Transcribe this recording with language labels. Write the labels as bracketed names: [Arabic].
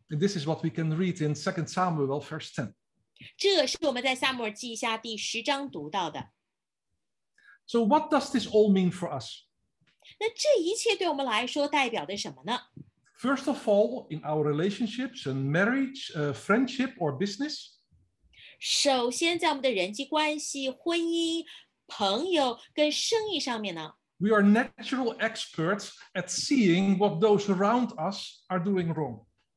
[English] And this is what we can read in 2 Samuel verse 10. [Chinese] 这是我们在撒母耳记下第十章读到的。 [English] So what does this all mean for us? [Chinese] 那这一切对我们来说代表的什么呢? [English] First of all, in our relationships and marriage, friendship or business. [Chinese] 首先在我们的人际关系、婚姻、朋友跟生意上面呢? [English] We are natural experts at seeing what those around us are doing wrong.